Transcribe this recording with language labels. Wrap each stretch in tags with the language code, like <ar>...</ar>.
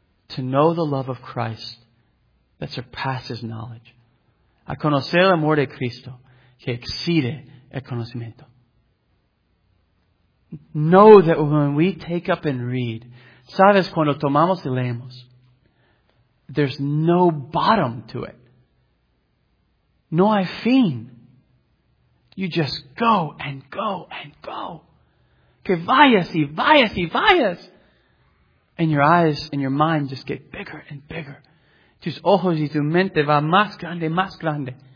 <en>To know the love of Christ that surpasses knowledge.</en> <es>A conocer el amor de Cristo que excede el conocimiento.</es> <en>Know that when we take up and read,</en> <es>sabes, cuando tomamos y leemos,</es> <en>there's no bottom to it.</en> <es>No hay fin.</es> <en>You just go and go and go.</en> <es>Que vayas y vayas y vayas.</es> <en>And your eyes and your mind just get bigger and bigger.</en> <es>Tus ojos y tu mente va más grande, más grande.</es>